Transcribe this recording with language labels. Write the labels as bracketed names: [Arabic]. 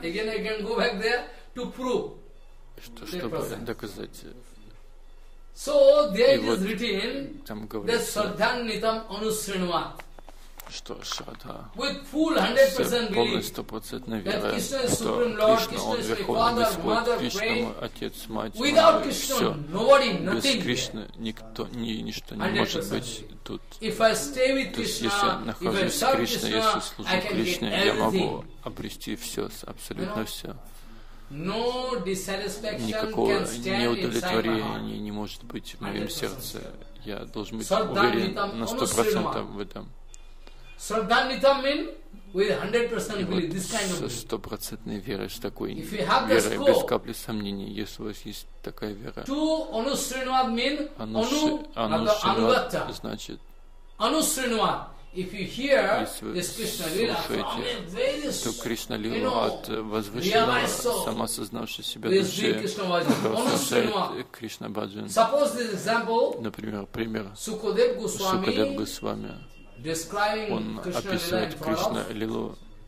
[English] Again I can go back there to prove. [Russian] Что, чтобы доказать. [English] So there is written that Sardhan Nitam Anusrinuat. [Russian] что Шрада полностью процентно верит, что Кришна, Он Верховный Господь, Кришна, мой Отец, Мать, мой, все. Без Кришны никто, ничто не может быть тут. То есть, если я нахожусь с Кришной, если служу Кришне, я могу обрести все, абсолютно все. Никакого неудовлетворения не может быть в моем сердце. Я должен быть уверен на 100% в этом. [English] Sardhanitam means with 100% belief, this kind of belief. If you have this hope, [Russian] без капли сомнений, если у вас есть такая вера. [English] To anusrinuad means [Russian] anusrinuad, значит. Anusrinuad. [English] If you hear this Krishna lila from him, this, [Russian] то Кришна лила от возвышенного, самосознавшего себя души, Кришна баджан. [English] Suppose this example. [Russian] Например, пример. [English] Sukadev Goswami. [Russian] Он описывает Кришна лилу